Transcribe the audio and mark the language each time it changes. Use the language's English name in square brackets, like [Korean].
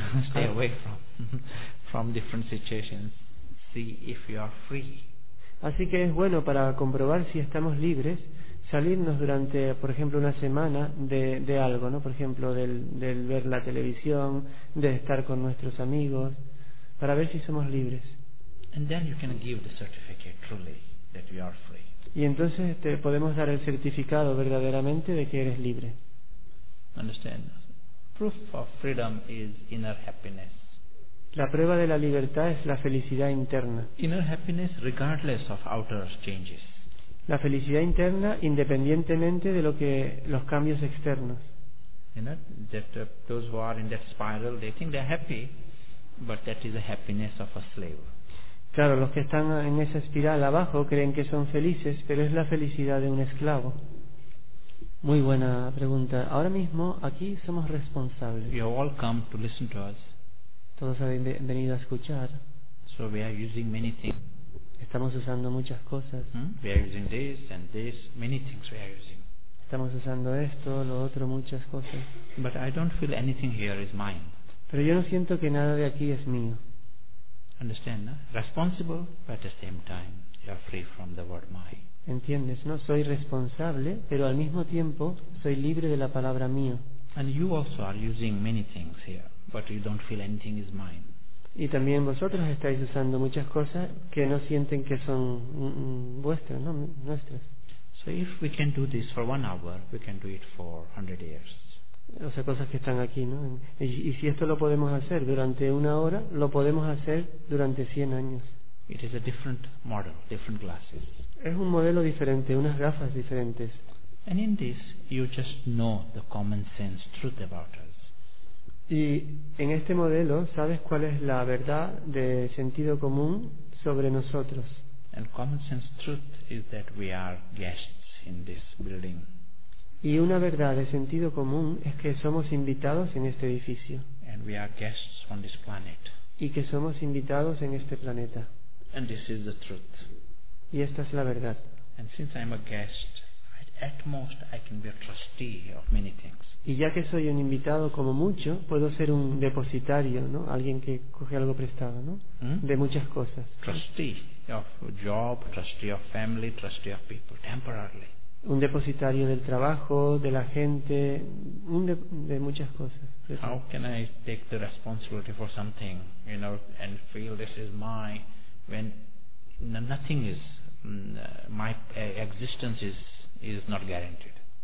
[English] Stay away from different situations. See if you are free. [Spanish] Así que es bueno para comprobar si estamos libres salirnos durante, por ejemplo, una semana de algo, ¿no? Por ejemplo, del ver la televisión, de estar con nuestros amigos, para ver si somos libres. [English] And then you can give the certificate truly that you are free. [Spanish] Y entonces te podemos dar el certificado verdaderamente de que eres libre. [English] Understand? Proof of freedom is inner happiness. [Spanish] La prueba de la libertad es la felicidad interna. [English] Inner happiness regardless of outer changes. [Spanish] La felicidad interna independientemente de los cambios externos. [English] You know, that those who are in that spiral, they think they're happy, but that is the happiness of a slave. [Spanish] Claro, los que están en esa espiral abajo creen que son felices, pero es la felicidad de un esclavo. Muy buena pregunta. Ahora mismo aquí somos responsables. [English] You all come to listen to us. [Spanish] Todos han venido a escuchar. [English] So we are using many things. [Spanish] Estamos usando muchas cosas. [English] We are using this and this, many things we are using. [Spanish] Estamos usando esto, lo otro, muchas cosas. [English] But I don't feel anything here is mine. [Spanish] Pero yo no siento que nada de aquí es mío. [English] Understand, no? Responsible, but at the same time, you are free from the word my. [Spanish] ¿Entiendes? No soy responsable, pero al mismo tiempo soy libre de la palabra mío. [English] And you also are using many things here, but you don't feel anything is mine. [Spanish] Y también vosotros estáis usando muchas cosas que no sienten que son vuestras, no nuestras. [English] So if we can do this for 1 hour, we can do it for 100 years. [Spanish] O sea, cosas que están aquí, ¿no? Y si esto lo podemos hacer durante 1 hora, lo podemos hacer durante 100 años. [English] It is a different model, different glasses. [Spanish] Es un modelo diferente, unas gafas diferentes. [English] And in this, you just know the common sense truth about us. [Spanish] Y en este modelo, sabes cuál es la verdad de sentido común sobre nosotros. [English] And common sense truth is that we are guests in this building. [Spanish] Y una verdad de sentido común es que somos invitados en este edificio. [English] And we are guests on this planet. [Spanish] Y que somos invitados en este planeta. [English] And this is the truth. [Spanish] Y esta es la verdad. [English] And since I'm a guest, at most I can be a trustee of many things. [Spanish] Y ya que soy un invitado como mucho, puedo ser un depositario, ¿no? Alguien que coge algo prestado, ¿no? De muchas cosas. [English] Trustee of job, trustee of family, trustee of people, temporarily. [Spanish] Un depositario del trabajo, de la gente, de muchas cosas. [English] How can I take the responsibility for something, you know, and feel this is my, when nothing is, my existence is not guaranteed?